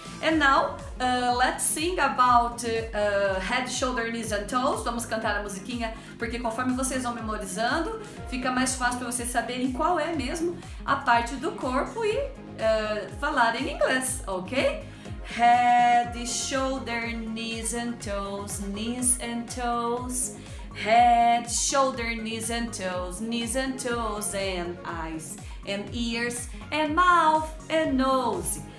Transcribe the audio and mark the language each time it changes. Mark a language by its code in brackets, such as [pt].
[en] And now, let's sing about head, shoulder, knees and toes. [pt] Vamos cantar a musiquinha, porque conforme vocês vão memorizando, fica mais fácil para vocês saberem qual é mesmo a parte do corpo e falar em inglês, ok? [en] Head, shoulder, knees and toes, knees and toes. Head, shoulder, knees and toes, and eyes, and ears, and mouth, and nose.